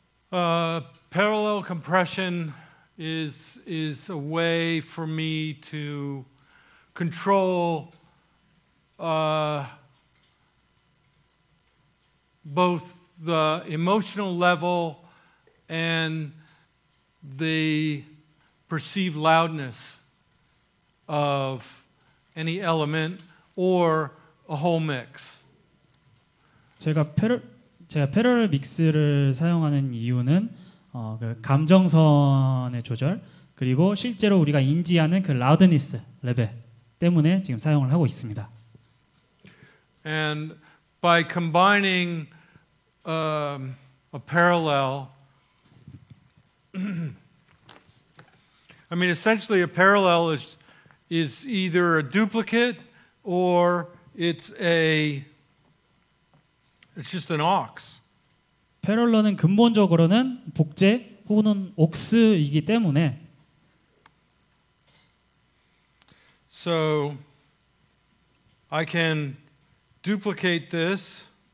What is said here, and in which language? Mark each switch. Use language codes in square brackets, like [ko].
[en] Parallel compression is a way for me to control both the emotional level and the perceived loudness of any element or a whole mix. [ko] 제가 패럴 믹스를 사용하는 이유는 그 감정선의 조절 그리고 실제로 우리가 인지하는 그 라우드니스 레벨 때문에 지금 사용을 하고 있습니다. [en] And by combining a parallel I mean, essentially, a parallel is either a duplicate or it's just an aux. [ko] 패럴러는 근본적으로는 복제 혹은 옥스이기 때문에. [en] So I can duplicate this.